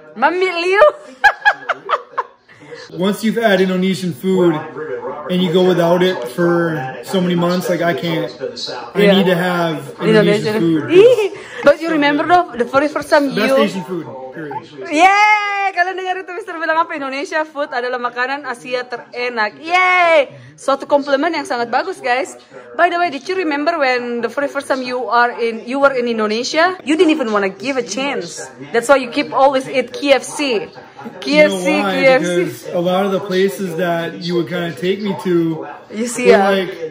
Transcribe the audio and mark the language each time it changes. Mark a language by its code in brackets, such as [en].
[en] Mami Liu. Once you've had Indonesian food and you go without it for so many months, like I can't. Yeah. I need to have Indonesian food. Don't you remember though, the very first time you... Best Asian food, period. [id] Yay! Kalian dengar itu Mr. bilang apa? Indonesia food adalah makanan Asia terenak. Yay! Suatu compliment yang sangat bagus, guys. [en] By the way, did you remember when the very first time you were in Indonesia? You didn't even want to give a chance. That's why you keep always eat KFC. KFC, you know why? KFC. Because a lot of the places that you would kind of take me to, you see, yeah,